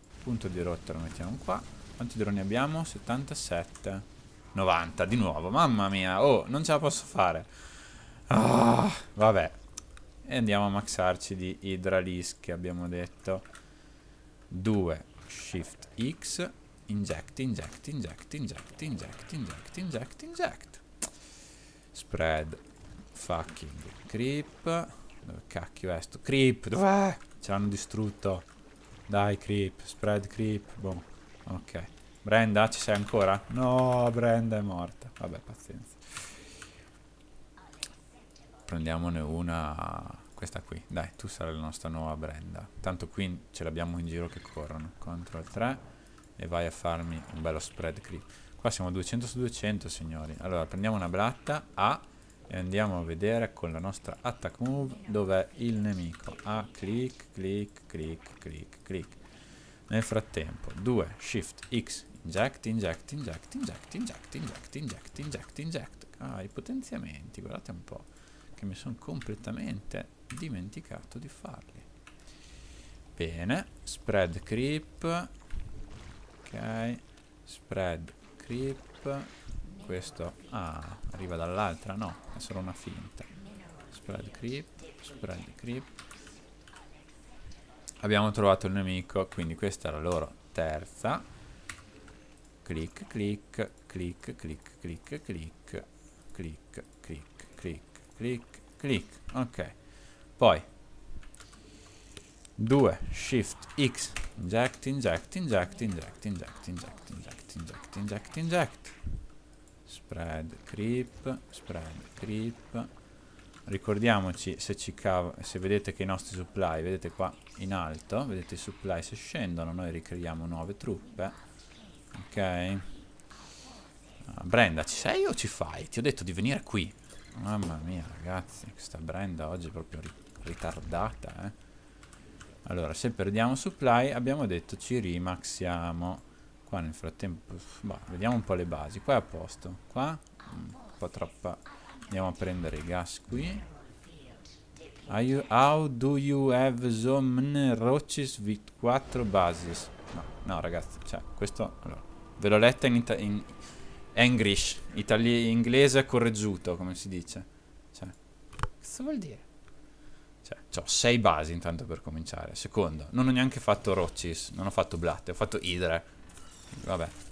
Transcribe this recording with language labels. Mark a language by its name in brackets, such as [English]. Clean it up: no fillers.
[Italian] Punto di rotta lo mettiamo qua. Quanti droni abbiamo? 77. 90, di nuovo. Mamma mia. Oh, non ce la posso fare. Oh, vabbè. E andiamo a maxarci di Hydralis, che abbiamo detto. 2, Shift X. [English] Inject, inject, inject, inject, inject, inject, inject, inject. Spread fucking creep. [Italian] Dove cacchio è sto? Creep, dov'è? Ce l'hanno distrutto. Dai, creep. Spread creep. Boom. Ok. Brenda, ci sei ancora? No, Brenda è morta. Vabbè, pazienza. Prendiamone una, questa qui. Dai, tu sarai la nostra nuova Brenda. Tanto qui ce l'abbiamo in giro che corrono. Control 3. E vai a farmi un bello spread creep. Qua siamo 200 su 200, signori. Allora, prendiamo una bratta. A. E andiamo a vedere con la nostra attack move dov'è il nemico. [English] A. Click, click, click, click, click. Nel frattempo, 2, shift, x, inject, inject, inject, inject, inject, inject, inject, inject, inject. [Italian] Ah, i potenziamenti, guardate un po', che mi sono completamente dimenticato di farli. Bene, spread creep, ok, spread creep, questo, ah, arriva dall'altra, no, è solo una finta. [English] Spread creep, spread creep. [Italian] Abbiamo trovato il nemico, quindi questa è la loro terza. [English] Click, click, click, click, click, click, click, click, click, click, click. Ok. Poi, 2, shift, x, inject, inject, inject, inject, inject, inject, inject, inject, inject, inject. Spread, creep, spread, creep. [Italian] Ricordiamoci, se ci cava, se vedete che i nostri supply, vedete qua in alto, vedete i supply se scendono, noi ricreiamo nuove truppe. Ok. Brenda, ci sei o ci fai? Ti ho detto di venire qui. Mamma mia, ragazzi, questa Brenda oggi è proprio ritardata, eh. Allora, se perdiamo supply, abbiamo detto ci rimaxiamo. Qua nel frattempo, vediamo un po' le basi. Qua è a posto. Qua un po' troppa. Andiamo a prendere i gas qui. [English] How do you have so many roaches with 4 bases? [Italian] No, no ragazzi, cioè, questo... Allora, ve l'ho letta in English, inglese correggiuto, come si dice. Cioè, cosa vuol dire? Cioè, ho 6 basi intanto per cominciare. Secondo, non ho neanche fatto roaches, non ho fatto blatte, ho fatto idre. Vabbè.